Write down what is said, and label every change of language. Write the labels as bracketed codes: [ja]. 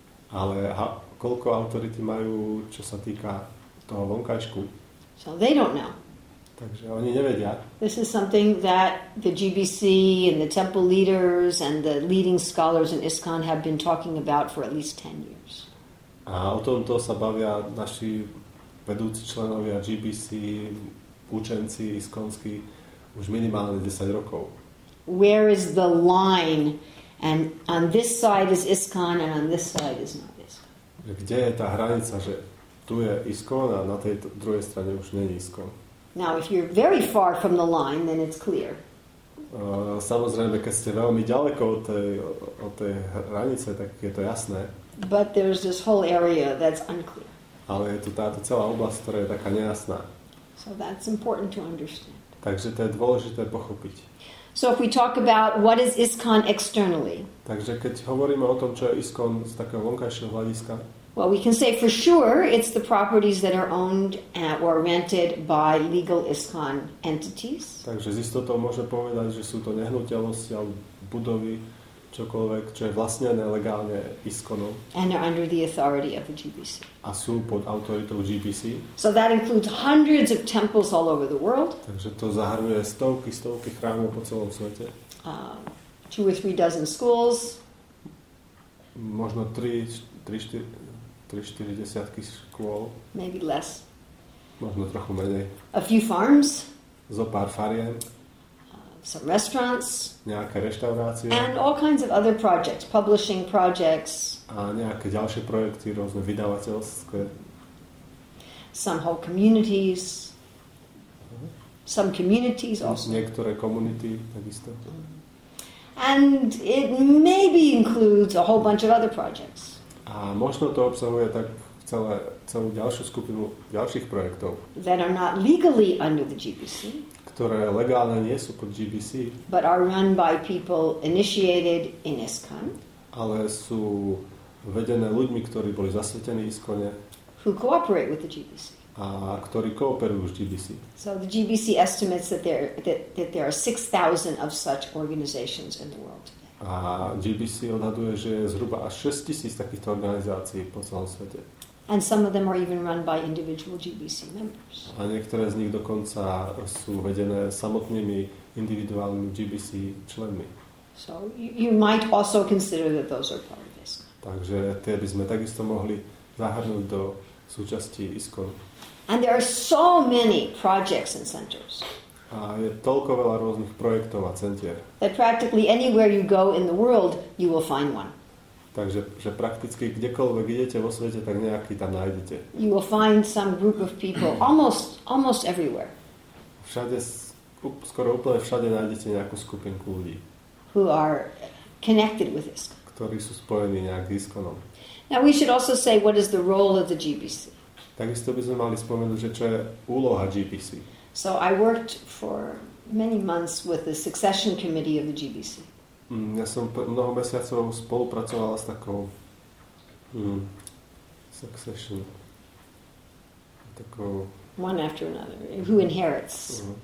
[sk] Ale koľko autority majú, čo sa týka toho vonkajšku. [en] So they don't know. [sk] Takže oni nevedia. [en] This is something that the GBC and the temple leaders and the leading scholars in ISKCON have been talking about for at least 10 years. [sk] A o tomto sa bavia naši vedúci členovia GBC, učenci iskonskí už minimálne 10 rokov. [en] Where is the line? And on this side is ISKCON and on this side is not ISKCON. [sk] Kde je tá hranica, že tu je ISKCON a na tej druhej strane už nie je ISKCON. [en] Now if you're very far from the line, then it's clear. [sk] Samozrejme, keď ste veľmi ďaleko od tej hranice, tak je to jasné. [en] But there's this whole area that's unclear. [sk] Ale je tu táto celá oblasť, ktorá je taká nejasná. [en] So that's important to understand. [sk] Takže to je dôležité pochopiť. [en] So if we talk about what is ISKCON externally. [sk] Takže keď hovoríme o tom, čo je ISKCON z takého vonkajšieho hľadiska. [en] Well, we can say for sure it's the properties that are owned or rented by legal ISKCON entities. [sk] Takže z istotou môže povedať, že sú to nehnuteľnosti alebo budovy, čokoľvek, čo je vlastnené legálne ISKCONom. [en] And are under the authority of the GBC. [sk] A sú pod autoritou GBC. [en] So that includes hundreds of temples all over the world. [sk] Takže to zahrňuje stovky chrámov po celom svete. [en] Two or three dozen schools. [sk] Možno 3-4 desiatky škôl. [en] Maybe less. [sk] Možno trochu menej. [en] A few farms. [sk] Zo pár fariem. [en] Some restaurants. [sk] Nejaké reštaurácie. [en] And all kinds of other projects, publishing projects. [sk] A nejaké ďalšie projekty, rôzne vydavateľské. [en] Some whole communities. Some communities also. [sk] Niektoré komunity takisto. [en] And it maybe includes a whole bunch of other projects. [sk] A možno to obsahuje tak celú ďalšiu skupinu ďalších projektov. [en] That are not legally under the GBC. [sk] Ktoré legálne nie sú pod GBC. [en] But are run by people initiated in ISKCON. [sk] Ale sú vedené ľuďmi, ktorí boli zasvetení ISKCONe. [en] Who cooperate with the GBC. [sk] A ktorí kooperujú s GBC. [en] So the GBC estimates that there are 6,000 of such organizations in the world. [sk] A GBC odhaduje, že je zhruba až 6 tisíc takýchto organizácií po celom svete. [en] And some of them are even run by individual GBC members. [sk] A niektoré z nich dokonca sú vedené samotnými individuálnymi GBC členmi. [en] So you might also consider that those are part of ISKCON. [sk] Takže tie by sme takisto mohli zahrnúť do súčasti ISKCON. [en] And there are so many projects and centers. [sk] A je toľko veľa rôznych projektov a centier. [en] That practically anywhere you go in the world, you will find one. [sk] Takže že prakticky kdekoľvek idete vo svete, tak nejaký tam nájdete. [en] You will find some group of people almost everywhere. [sk] Všade, skoro úplne všade nájdete nejakú skupinku ľudí. [en] Who are connected with this. [sk] Ktorí sú spojení nejak s ISKCONom. [en] Now we should also say what is the role of the GBC. [sk] Takisto by sme mali spomenúť, že čo je úloha GBC. [en] So I worked for many months with the succession committee of the GBC. [sk] Ja som mnoho mesiacov spolupracovala s takou succession. Takou, [en] one after another. Who inherits?